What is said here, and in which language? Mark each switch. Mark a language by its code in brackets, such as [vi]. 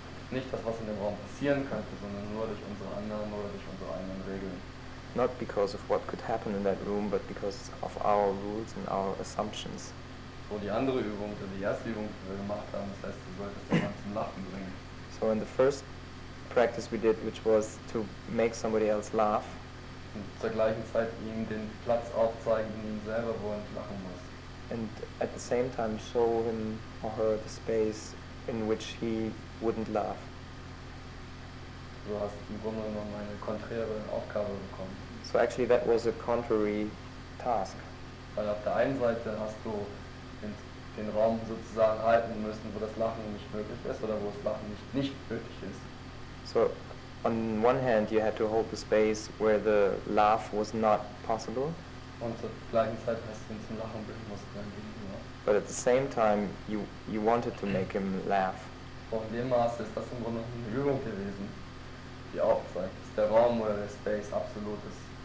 [de] Nicht das, was in dem Raum passieren könnte, sondern nur durch unsere Annahme oder durch unsere eigenen Regeln. [en] Not because of what could happen in that room, but because of our rules and our assumptions. [de] So die andere Übung, die erste Übung, die wir gemacht haben, das heißt, du solltest jemanden zum Lachen bringen. [en] So in the first practice we did, which was to make somebody else laugh, [de] und zur gleichen Zeit ihm den Platz aufzeigen, in ihm selber, wo er lachen muss. [en] And at the same time show him or her the space in which he wouldn't laugh. [de] Du hast im Grunde genommen eine konträre Aufgabe bekommen. [en] So actually that was a contrary task. [de] Weil auf der einen Seite hast du den Raum sozusagen halten müssen, wo das Lachen nicht möglich ist oder wo das Lachen nicht möglich ist. [en] So on one hand, you had to hold the space where the laugh was not possible. [de] Und zur gleichen Zeit hast du ihn zum Lachen bringen müssen. [en] But at the same time, you wanted to make him laugh. [de] Und in dem Maße ist das im Grunde eine Übung gewesen, die auch zeigt, dass der Raum oder der Space absolut ist.